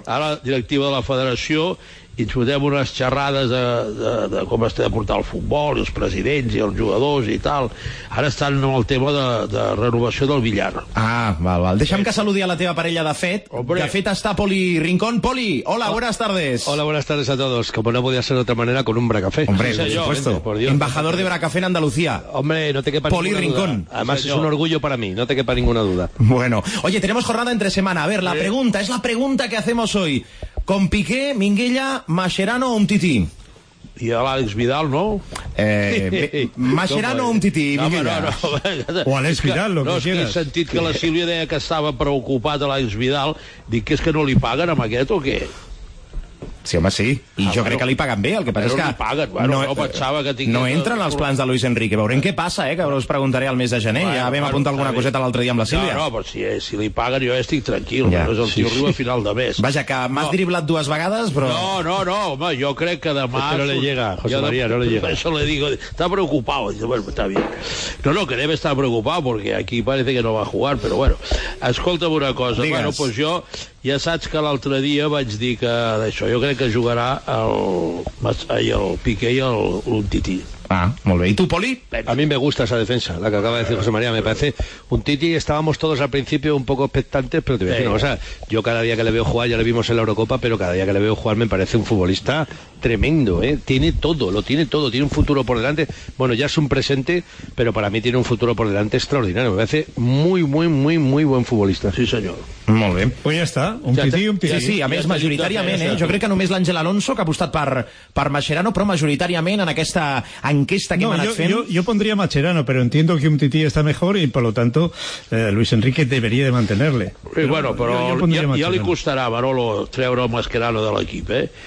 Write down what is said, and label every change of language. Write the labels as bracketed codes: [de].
[ca] Ara la directiva de la federació... I ens fotem unes xerrades de com es té de portar el futbol, els presidents i els jugadors i tal. Ara estan en el tema de renovació del Villar. Ah, val. Deixa'm que saludi a la teva parella, de fet. Hombre. De fet, està Poli Rincón. [es] Poli, hola, buenas tardes. Hola, buenas tardes a todos. [ca] Com no podia ser d'altra manera, [es] con un bracafé. Hombre, sí, por supuesto. Por Dios. Embajador de bracafé en Andalucía. Hombre, no te quepa ninguna duda. Poli Rincón. Además, sí, es un orgullo para mí, no te quepa ninguna duda. Bueno, oye, tenemos jornada entre semana. A ver, la pregunta que hacemos hoy. Con Piqué, Minguella, Mascherano o Umtiti? [ca] I a l'Àlex Vidal, no? Mascherano o Umtiti, Minguella? [es] No. O Àlex Vidal, lo que quieras. [ca] No, he sentit que la Sílvia deia que estava preocupat a l'Àlex Vidal. Dic que és que no li paguen amb aquest o què? Sí, home, sí. Jo crec que li paguen bé, el que passa és que... Però li paguen, no pensava que tingués... No entren els plans de Luis Enrique. Veurem què passa, que us preguntaré el mes de gener. Ja vam apuntar alguna coseta l'altre dia amb la Sílvia. No, però si li paguen jo estic tranquil, però és el tio riu a final de mes. Vaja, que m'has driblat dues vegades, però... No, home, jo crec que demà... [es] No le llega, José María, no le llega. Això le digo, está preocupado. No, que debe estar preocupado, porque aquí parece que no va a jugar, pero bueno. [ca] Escolta'm una cosa, bueno, pues jo... Ja saps que l'altre dia vaig dir que d'això, jo crec que jugarà el Piqué i l'Umtiti. [es] Ah, muy bien. ¿Y tú, Poli? A mí me gusta esa defensa, la que acaba de decir José María. Me parece un Titi. Estábamos todos al principio un poco expectantes, pero te voy a decir, no, o sea, yo cada día que le veo jugar, ya le vimos en la Eurocopa, pero cada día que le veo jugar me parece un futbolista tremendo, ¿eh? Tiene todo, lo tiene todo. Tiene un futuro por delante. Bueno, ya es un presente, pero para mí tiene un futuro por delante extraordinario. Me parece muy, muy, muy, muy buen futbolista. Sí, señor. [ca] Molt bé. Pues ja està, un ja Tití, un Tití. Sí, sí, a més, majoritàriament, jo crec que només l'Àngel Alonso, que ha apostat per Mascherano, però majoritàriament en aquesta enquesta que no, hem anat fent... [es] Jo pondria Mascherano, [ca] però [es] entiendo que un Tití [ca] està millor i, [es] per lo tanto, Luis Enrique debería de mantenerle. [ca] Sí, bueno, però ja li costarà, Barolo, treure Mascherano de l'equip, eh?